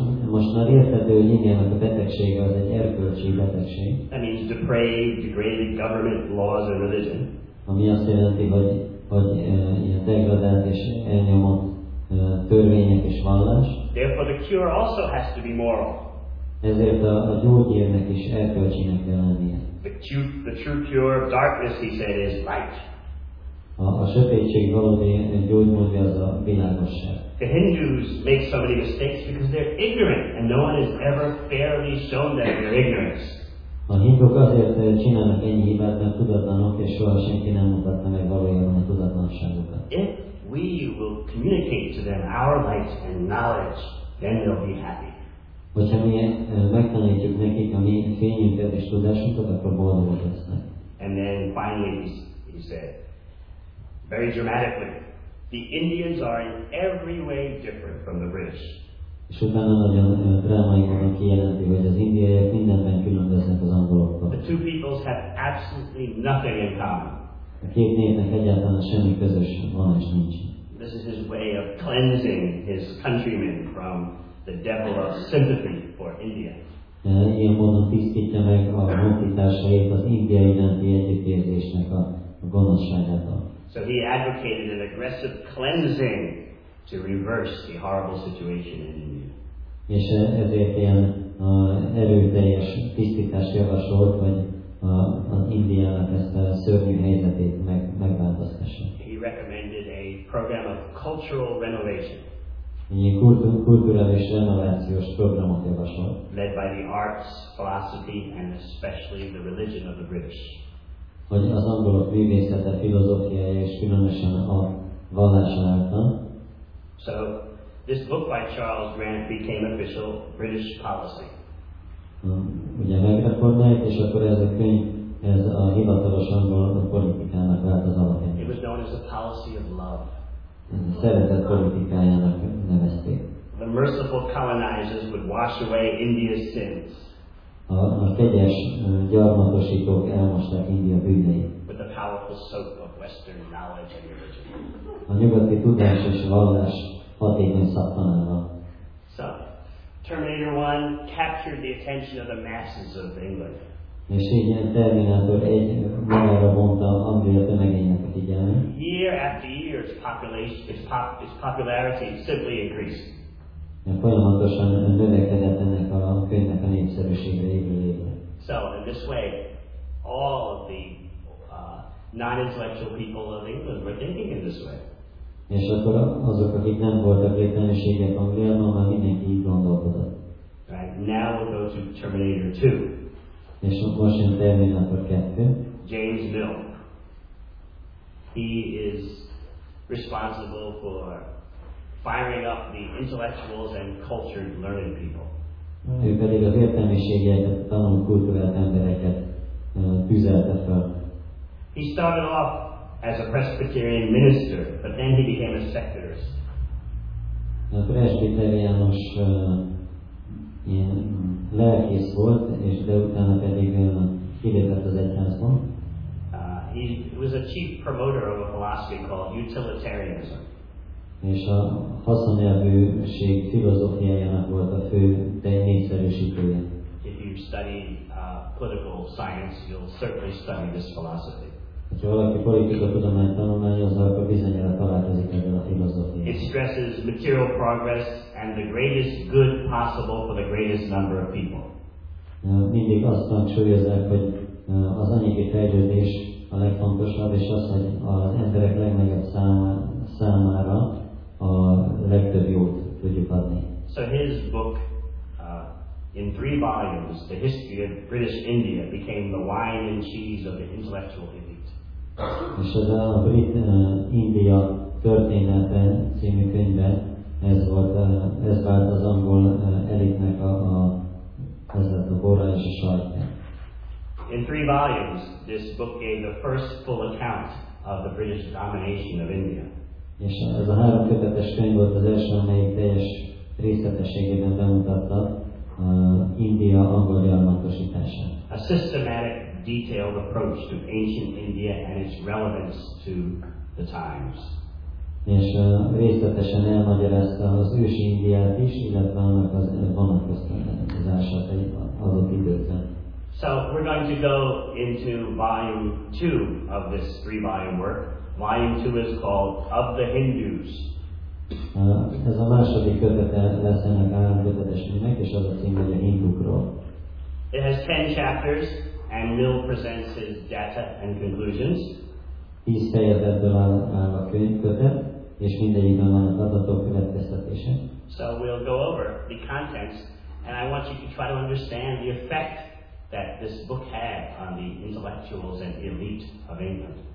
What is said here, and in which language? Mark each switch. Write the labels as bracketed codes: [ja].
[hu] Most már érthető, hogy Indiának a betegsége az egy erkölcsi betegség. [en] That means depraved, degraded government, laws and religion. [hu] Ami azt jelenti, hogy degradált és elnyomott törvények és vallás. [en] Therefore the cure also has to be moral. [hu] Ezért a gyógyírnak is erkölcsinek kell lennie. [en] The true cure of darkness, he said, is light. [hu] A sötétség valódi gyógymódja az a világosság. [en] The Hindus make so many mistakes because they're ignorant and no one has ever fairly shown them their ignorance. [hu] A hindúk azért csinálnak ennyi hibát, mert tudatlanok, és soha senki nem mutatta meg valójában a tudatlanságukat. [en] If we will communicate to them our light and knowledge, then they'll be happy. [hu] Hogyha mi megtanítjuk nekik a mi fényünket és tudásunkat, akkor boldogok lesznek. [en] And then finally he said, very dramatically, the Indians are in every way different from the British. [hu] És utána nagyon drámai módon kijelenti, hogy az indiaiak mindenben különböznek az angoloktól. [en] The two peoples have absolutely nothing in common. [hu] A két népnek egyáltalán semmi közös van és nincs. [en] This is his way of cleansing his countrymen from the devil of sympathy for India. [hu] Ilyen módon tisztítja meg a honfitársait az indiai nemi együttérzésnek a gonoszságától. [en] So he advocated an aggressive cleansing to reverse the horrible situation in India. [hu] És ezért ilyen erőteljes tisztítást javasolt, hogy az Indiának ezt a szörnyű helyzetét megváltoztassa. [en] He recommended a program of cultural renovation. [hu] Ilyen kulturális renovációs programot javasolt. [en] Led by the arts, philosophy and especially the religion of the British. [hu] Hogy az angolok művészete, filozófiája és különösen a vallása által. [en] So, this book by Charles Grant became official British policy. [hu] Ugye megreformált, és akkor ez a könyv, ez a hivatalos angol politikának vált az alapja. [en] It was known as the policy of love. [hu] szeretett politikájának nevezték. [en] The merciful colonizers would wash away India's sins. [hu] A kegyes gyarmatosítók elmosták India bűneit. [en] With the powerful soap of Western knowledge and religion. [hu] A nyugati tudás és vallás hatékony szappanával. [en] So, Terminator 1 captured the attention of the masses of England. [hu] És így Terminátor egy magára vonta Anglia tömegének a figyelmét. [en] Year after year, its popularity simply increased. [hu] Folyamatosan növekedett ennek a könyvnek a népszerűsége évről évre. [en] So in this way, all of the non-intellectual people of England were thinking in this way. [hu] És akkor azok, akik nem voltak értelmiségek Angliában, már mindenki így gondolkodott. [en] Right, now we'll go to Terminator 2. [hu] És most jön Terminator 2. [en] James Mill. He is responsible for firing up the intellectuals and cultured learned people. [hu] Ő pedig az értelmiségeket, tanult kultúrát embereket tüzelte fel. [en] He started off as a Presbyterian minister, but then he became a secularist. [hu] A presbiteriánus ilyen lelkész volt, és de utána pedig kilépett az egyházból. [en] He was a chief promoter of a philosophy called utilitarianism. [hu] És a haszonélvűség filozófiájának volt a fő népszerűsítője. [en] If you study political science, you'll certainly study this philosophy. [hu] Ha valaki politika tudományt tanulmányozza, akkor bizonyára találkozik ezzel a filozófiával. [en] It stresses material progress and the greatest good possible for the greatest number of people. [hu] Mindig azt hangsúlyozzák, hogy az anyagi fejlődés a legfontosabb, és az, hogy az emberek legnagyobb számára a legtöbb jót tudjuk adni. [en] So his book, in three volumes, The History of British India, became the wine and cheese of the intellectual elite. [hu] És az a brit India története című könyvben ez volt, ez vált az angol elitnek a borra és a sajtja. [en] In three volumes, this book gave the first full account of the British domination of India. [hu] És ez a három kötetes könyv volt az első, amelyik teljes részletességében bemutatta India angol gyarmatosítását. [en] A systematic detailed approach to ancient India and its relevance to the times. [hu] És részletesen elmagyarázta az ősi Indiát is, illetve annak az vonatkoztatását az ott időkben. [en] So we're going to go into volume 2 of this 3-volume work. Volume 2 is called Of the Hindus. [hu] Ez a második kötete lesz ennek a kötetes műnek, és az a cím, hogy a hindukról. [en] It has 10 chapters, and Mill presents his data and conclusions. He's said that the man of [hu] Kintkötet, és mindegyikben vannak adatok következtetése. [en] So we'll go over the contents, and I want you to try to understand the effect that this book had on the intellectuals and elite of England.